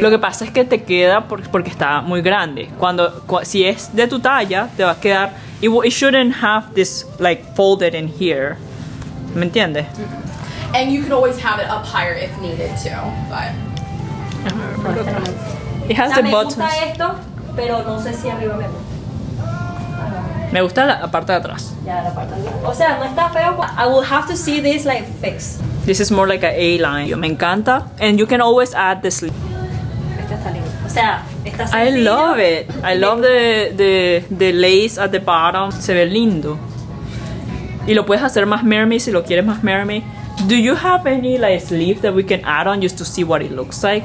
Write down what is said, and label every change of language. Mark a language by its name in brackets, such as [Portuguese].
[Spanish] Lo que pasa es que te queda porque está muy grande. Si es de tu talla te va a quedar. [English] It shouldn't have this like folded in here. [Spanish] ¿Me entiendes? Mm-hmm. [English] And you could always have it up higher if needed too. But it has the buttons. [Spanish] Me gusta esto, pero no sé si arriba me gusta. Me gusta la parte de atrás. Ya, la parte de atrás. O sea, no está feo. [English] I will have to see this like fixed. This is more like an A line. [Spanish] Me encanta. [English] And you can always add the sleeve. [Spanish] Esta está linda. O sea, está sencilla. [English] I love it. I love the lace at the bottom. [Spanish] Se ve lindo. Y lo puedes hacer más mermaid si lo quieres más mermaid. [English] Do you have any like sleeve that we can add on just to see what it looks like?